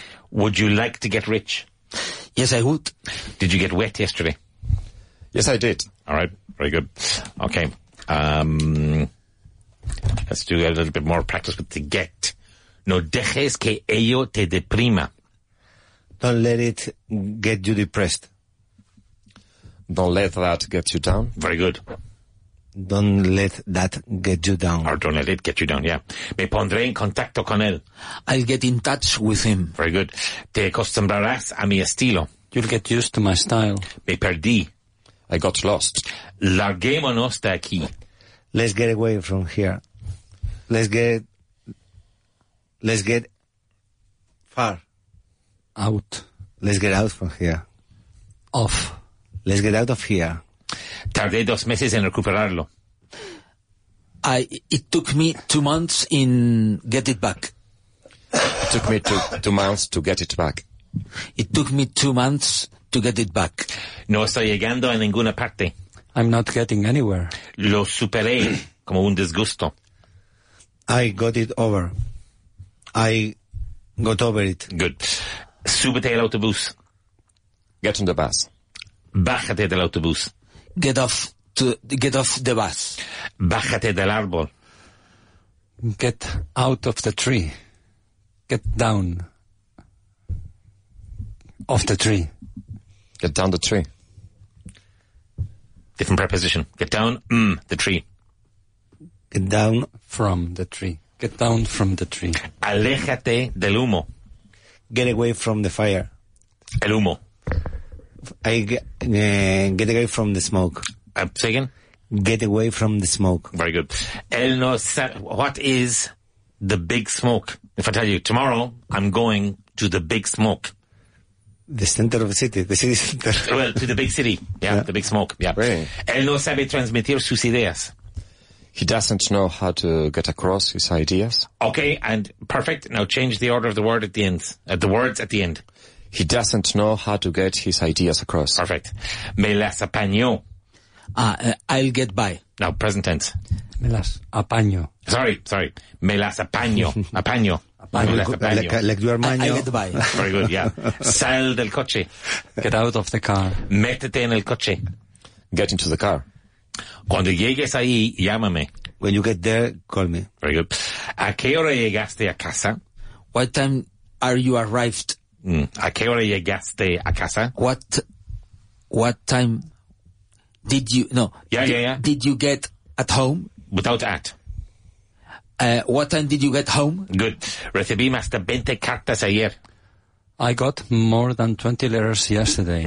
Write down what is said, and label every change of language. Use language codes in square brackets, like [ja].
[en] Would you like to get rich? Yes, I would. Did you get wet yesterday? Yes, I did. All right, very good. Okay. Let's do a little bit more practice with the get. [es] No dejes que ello te deprima. [en] Don't let it get you depressed. Don't let that get you down. Very good. Don't let that get you down. Or don't let it get you down, yeah. [es] Me pondré en contacto con él. [en] I'll get in touch with him. Very good. [es] Te acostumbrarás a mi estilo. [en] You'll get used to my style. [es] Me perdí. [en] I got lost. [es] Larguémonos de aquí. [en] Let's get away from here. Let's get far. Out. Let's get out from here. Off. Let's get out of here. [es] Tardé 2 meses en recuperarlo. [en] It took me 2 months in get it back. It took me two months to get it back. It took me 2 months to get it back. [es] No estoy llegando a ninguna parte. [en] I'm not getting anywhere. [es] Lo superé como un disgusto. [en] I got it over. I got over it. [es] Good. Súbete al autobús. [en] Get on the bus. [es] Bájate del autobús. [en] Get off the bus. [es] Bájate del árbol. [en] Get out of the tree. Get down. Off the tree. Get down the tree. Different preposition. Get down the tree. Get down from the tree. Get down from the tree. [es] Aléjate del humo. [en] Get away from the fire. [es] El humo. [en] Get away from the smoke. Say again? Get away from the smoke. Very good. [es] El no sa- [en] what is the big smoke? If I tell you, tomorrow I'm going to the big smoke. The center of the city. The city center. Well, to the big city. Yeah, yeah. The big smoke. Yeah. Right. [es] El no sabe transmitir sus ideas. [en] He doesn't know how to get across his ideas. Okay, and perfect. Now change the order of the word at the end. The words at the end. He doesn't know how to get his ideas across. Perfect. [es] Me las apaño. [en] I'll get by. Now, present tense. [es] Me las apaño. [en] Sorry. [es] Me las apaño. Apaño. [en] Like you are apaño. I'll get by. Very good, yeah. [es] Sal del coche. [en] Get out of the car. [es] Métete en el coche. [en] Get into the car. [es] Cuando llegues ahí, llámame. [en] When you get there, call me. Very good. [es] ¿A qué hora llegaste a casa? [en] What time are you arrived? [es] ¿A qué hora llegaste a casa? [en] What time did you... No. Yeah. Did you get at home? Without at. What time did you get home? Good. [es] Recibí más de 20 cartas ayer. [en] I got more than 20 letters yesterday.